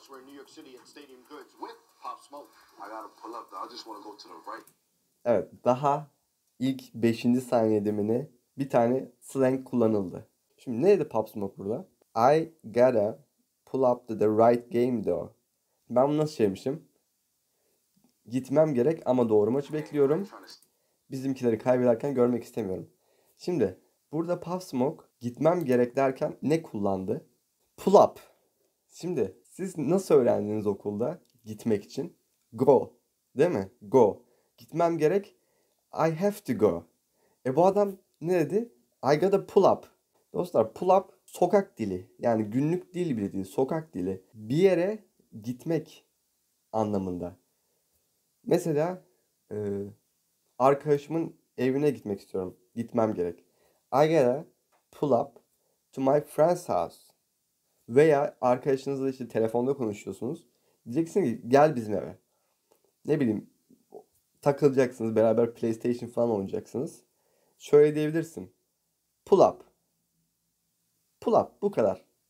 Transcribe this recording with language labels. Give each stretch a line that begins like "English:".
English: We're in New York City at Stadium Goods with Pop Smoke. I gotta pull up, though. I just wanna go to the right.
Turkish: Evet, daha ilk 5. saniyede mi ne? Bir tane slang kullanıldı. Şimdi ne dedi Pop Smoke burada?
English: I gotta pull up to the right game, though.
Turkish: Ben bunu nasıl çevirmişim? Gitmem gerek ama doğru maçı bekliyorum. Bizimkileri kaybederken görmek istemiyorum. Şimdi burada Puff Smoke gitmem gerek derken ne kullandı? Pull up. Şimdi siz nasıl öğrendiniz okulda gitmek için? Go. Değil mi? Go. Gitmem gerek.
English: I have to go.
Turkish: E bu adam ne dedi?
English: I gotta pull up.
Turkish: Dostlar pull up sokak dili. Yani günlük dil bile değil. Sokak dili. Bir yere gitmek anlamında. Mesela arkadaşımın evine gitmek istiyorum. Gitmem gerek.
English: I gotta pull up to my friend's house.
Turkish: Veya arkadaşınızla işte telefonda konuşuyorsunuz. Diyeceksin ki gel bizim eve. Ne bileyim takılacaksınız beraber PlayStation falan oynayacaksınız. Şöyle diyebilirsin. Pull up. Pull up bu kadar.